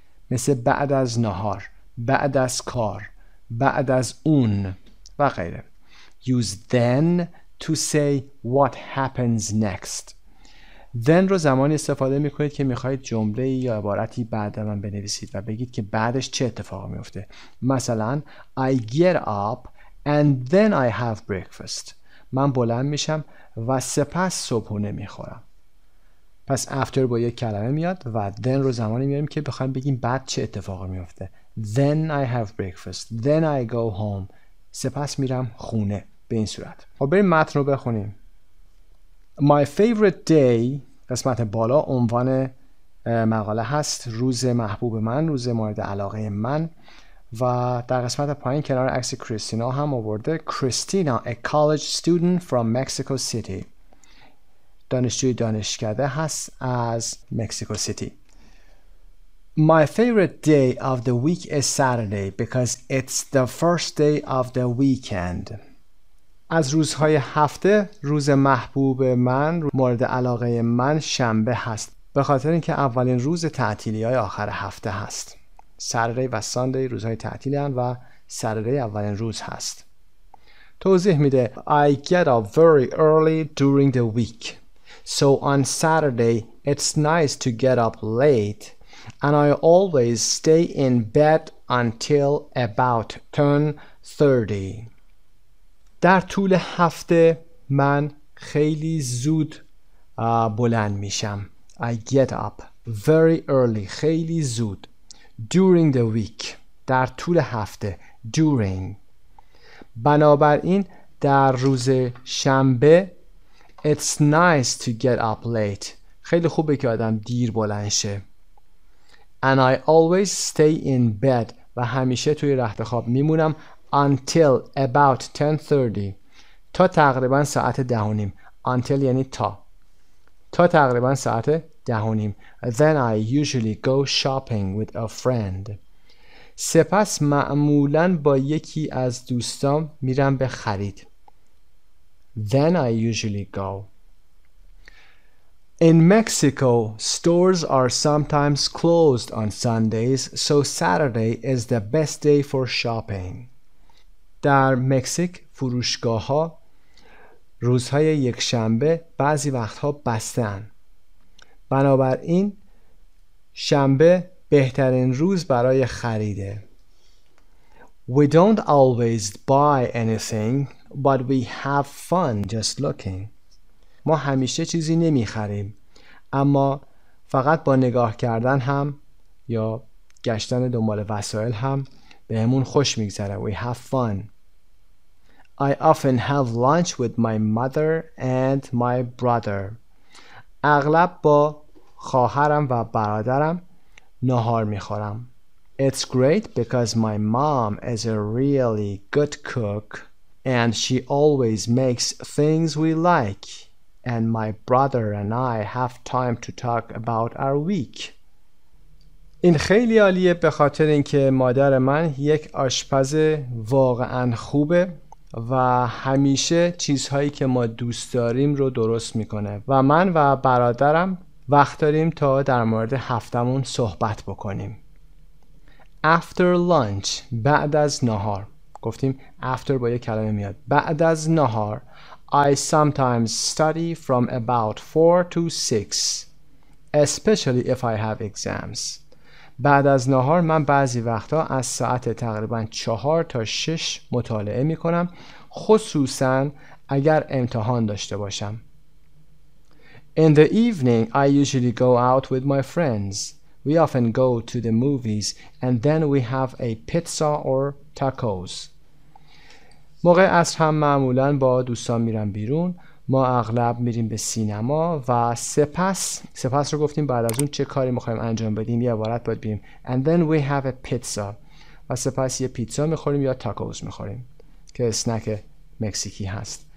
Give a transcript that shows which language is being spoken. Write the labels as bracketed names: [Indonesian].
[Persian] مثل بعد از نهار. بعد از کار. بعد از اون. و غیره. [English] Use then to say what happens next. [Persian] Then رو زمانی استفاده میکنید که میخواید جمله یا عبارتی بعد من بنویسید و بگید که بعدش چه اتفاق میفته. مثلا [English] I get up and then I have breakfast. [Persian] من بلند میشم و سپس صبحونه میخورم. پس after با یک کلمه میاد و then رو زمانی میاریم که بخوایم بگیم بعد چه اتفاق میفته. [English] Then I have breakfast. Then I go home. [Persian] سپس میرم خونه. به این صورت. خب بریم متن رو بخونیم. My favorite day، قسمت بالا عنوان مقاله هست، روز محبوب من، روز مورد علاقه من، و در قسمت پایین کنار عکس کریستینا هم آورده کریستینا [English] a college student from Mexico City، [Persian] دانشجوی دانشکده هست از مکسیکو سیتی. [English] My favorite day of the week is Saturday because it's the first day of the weekend. [Persian] از روزهای هفته روز محبوب من، مورد علاقه من شنبه هست، به خاطر اینکه اولین روز تعطیلی های آخر هفته هست. Saturday و Sunday روزهای تعطیلی هستند و Saturday اولین روز هست. توضیح میده [English] I get up very early during the week. So on Saturday it's nice to get up late. And I always stay in bed until about 10:30. [Persian] در طول هفته من خیلی زود بلند میشم. [English] I get up very early. [Persian] خیلی زود. [English] During the week. [Persian] در طول هفته. During. بنابراین در روز شنبه [English] It's nice to get up late. [Persian] خیلی خوبه که آدم دیر بلند شه. [English] And I always stay in bed. [Persian] و همیشه توی رخت خواب میمونم [English] until about 10:30. [Persian] تا تقریبا ساعت ده و نیم. Until یعنی تا. تا تقریبا ساعت ده و نیم. [English] Then I usually go shopping with a friend. [Persian] سپس معمولا با یکی از دوستام میرم به خرید. [English] Then I usually go. In Mexico, stores are sometimes closed on Sundays, so Saturday is the best day for shopping. [Persian] در مکزیک فروشگاه‌ها روزهای یکشنبه بعضی وقت‌ها بسته‌اند. بنابراین شنبه بهترین روز برای خریده. [English] We don't always buy anything, but we have fun just looking. [Persian] ما همیشه چیزی نمی‌خریم. اما فقط با نگاه کردن هم یا گشتن دنبال وسایل هم بهمون خوش میگذره. [English] We have fun. I often have lunch with my mother and my brother. [Persian] اغلب با خواهرم و برادرم نهار میخورم. [English] It's great because my mom is a really good cook and she always makes things we like. And my brother and I have time to talk about our week. [Persian] این خیلی عالیه به خاطر اینکه مادر من یک آشپز واقعا خوبه و همیشه چیزهایی که ما دوست داریم رو درست میکنه و من و برادرم وقت داریم تا در مورد هفتمون صحبت بکنیم. [English] After lunch، [Persian] بعد از نهار، گفتیم after با یک کلمه میاد، بعد از نهار. [English] I sometimes study from about 4 to 6، especially if I have exams. [Persian] بعد از نهار من بعضی وقتا از ساعت تقریبا 4 تا 6 مطالعه می کنم، خصوصا اگر امتحان داشته باشم. [English] In the evening, I usually go out with my friends. We often go to the movies and then we have a pizza or tacos. [Persian] موقع عصر هم معمولا با دوستان میرم بیرون. ما اغلب میریم به سینما و سپس رو گفتیم بعد از اون چه کاری میخوایم انجام بدیم، یه عبارت باید بیم [English] and then we have a pizza [Persian] و سپس یه پیتزا میخوریم یا تاکوز میخوریم که اسنک مکزیکی هست.